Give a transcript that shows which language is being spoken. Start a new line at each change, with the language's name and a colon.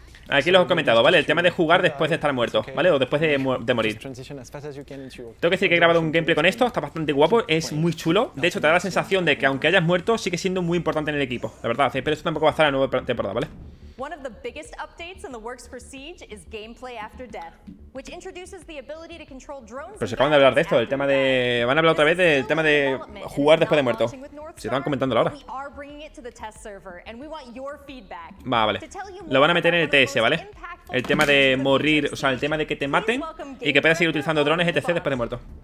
Spanish: Aquí lo he comentado, ¿vale? El tema de jugar después de estar muerto, ¿vale? O después de morir. Tengo que decir que he grabado un gameplay con esto, está bastante guapo, es muy chulo. De hecho, te da la sensación de que aunque hayas muerto, sigue siendo muy importante en el equipo, la verdad. Pero esto tampoco va a estar en la nueva temporada, ¿vale?
English: One of the biggest updates in the works for Siege is gameplay after death, which introduces the ability to control drones.
Spanish: Pero se acaban de hablar de esto, el tema de... Van a hablar otra vez del tema de jugar después de muerto. Se están comentando ahora. Va, vale. Lo van a meter en el TS, ¿vale? El tema de morir, o sea, el tema de que te maten y que puedas seguir utilizando drones etc. después de muerto.